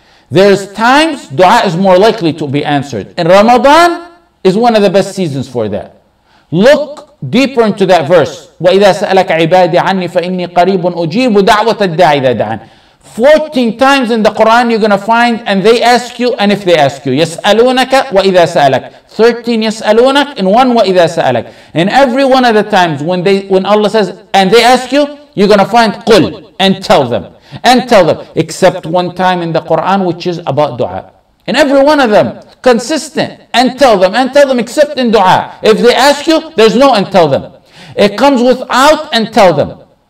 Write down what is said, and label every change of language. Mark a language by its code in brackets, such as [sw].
[en] There's times dua is more likely to be answered. And Ramadan is one of the best seasons for that. Look deeper into that verse. [ar] وَإِذَا سَأَلَكَ عِبَادِي عَنِّي فَإِنِّي قَرِيبٌ أُجِيبُ دَعْوَةَ الدَّاعِ إِذَا دَعَانِ. [en] 14 times in the Quran you're going to find, and they ask you, and if they ask you, يَسْأَلُونَكَ وَإِذَا سَأَلَكَ. [ar] 13 يَسْأَلُونَكَ and one وَإِذَا سَأَلَكَ. [en] In every one of the times when Allah says, and they ask you, you're going to find قُلْ and tell them. And tell them, except one time in the Quran, which is about dua. In every one of them, consistent. And tell them, except in dua. If they ask you, there's no and tell them. It comes without and tell them.